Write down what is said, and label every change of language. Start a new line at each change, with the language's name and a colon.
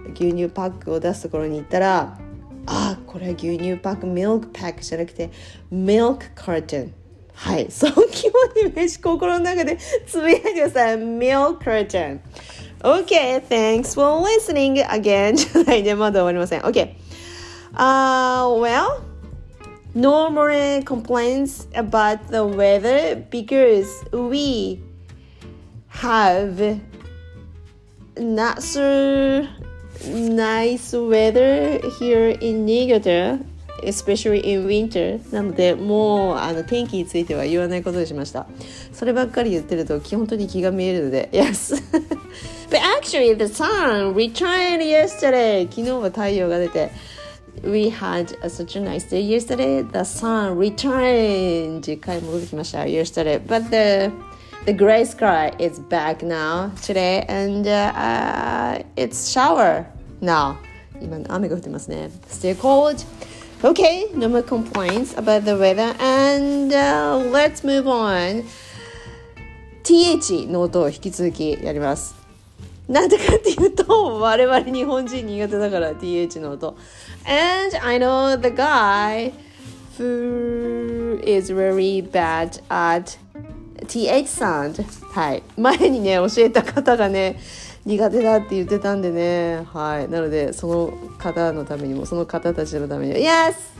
Japanese: 牛乳パックを出すところに行ったら、あ、これは牛乳パック、milk pack じゃなくて、milk carton。はい。その気持ちをイメージ、心の中でつぶやいてください。
English: milk carton。 Okay, thanks for listening again.
Japanese: はい、でまだ終わりません。
English: Okay. Well, no more complaints about the weather because we have not so nice weather here in Niigata, especially in winter.
Japanese: なので、もうあの天気については言わないことにしました。そればっかり言ってると本当に気が見えるので、
English: Yes. But actually, the sun returned yesterday.
Japanese: 昨日は太陽が出て、
English: We had a such a nice day yesterday. The sun returned.
Japanese: 帰ってきました
English: yesterday. But the gray sky is back now today, and it's shower now.
Japanese: 今雨が降ってますね。
English: Still cold. Okay, no more complaints about the weather, and let's move on.
Japanese: TH の音を引き続きやります。なんでかっていうと我々日本人苦手だから TH の音
English: And I know the guy who is very bad at TH sound
Japanese: はい前にね教えた方がね苦手だって言ってたんでねはいなのでその方のためにもその方たちのためにも
English: Yes!